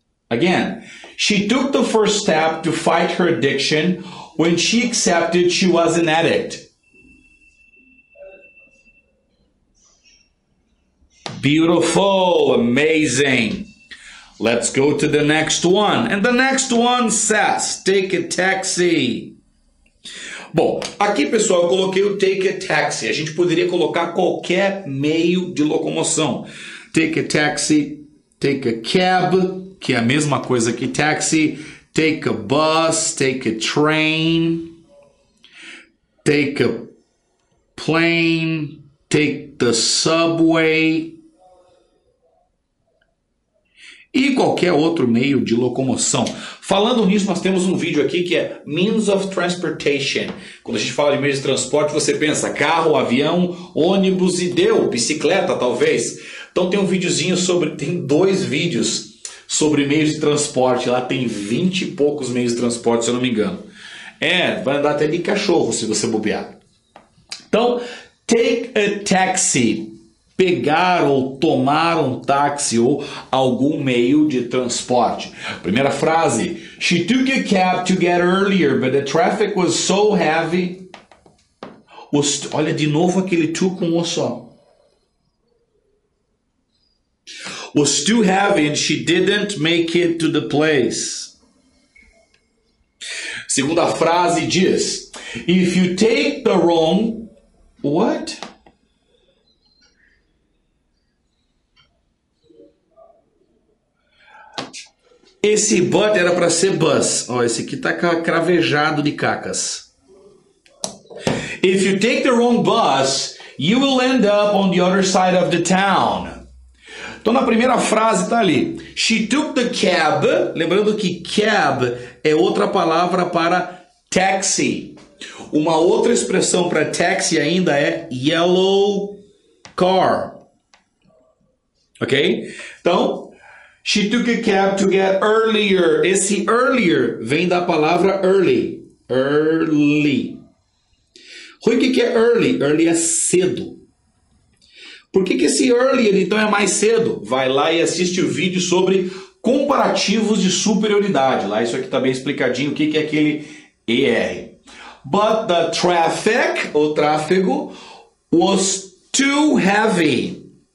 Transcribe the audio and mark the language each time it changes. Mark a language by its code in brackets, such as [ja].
[en] Again, she took the first step to fight her addiction when she accepted she was an addict. Beautiful, amazing. Let's go to the next one. And the next one says, take a taxi. [pt] Bom, aqui pessoal, eu coloquei o [en] take a taxi. [pt] A gente poderia colocar qualquer meio de locomoção. [en] Take a taxi, take a cab, [pt] que é a mesma coisa que taxi. [en] Take a bus, take a train. Take a plane, take the subway. [pt] E qualquer outro meio de locomoção. Falando nisso, nós temos um vídeo aqui que é Means of Transportation. Quando a gente fala de meios de transporte, você pensa carro, avião, ônibus e deu, bicicleta talvez. Então tem um videozinho sobre, tem dois vídeos sobre meios de transporte. Lá tem 20 e poucos meios de transporte, se eu não me engano. É, vai andar até de cachorro se você bobear. Então, [en] take a taxi. [pt] Pegar ou tomar um táxi ou algum meio de transporte. Primeira frase. [en] She took a cab to get earlier, but the traffic was so heavy. [pt] Olha de novo aquele to com o só. [en] Was too heavy and she didn't make it to the place. [pt] Segunda frase diz. [en] If you take the wrong... What? [pt] Esse but era para ser bus. Ó, esse aqui tá cravejado de cacas. [en] If you take the wrong bus, you will end up on the other side of the town. [pt] Então, na primeira frase tá ali. [en] She took the cab. [pt] Lembrando que cab é outra palavra para taxi. Uma outra expressão para taxi ainda é yellow car. [en] Ok? Então... She took a cab to get earlier. [pt] Esse earlier vem da palavra early. Early. O que é early? Early é cedo. Por que esse earlier então é mais cedo? Vai lá e assiste o vídeo sobre comparativos de superioridade. Lá isso aqui está bem explicadinho o que é aquele ER. [en] But the traffic, [pt] o tráfego, [en] was too heavy.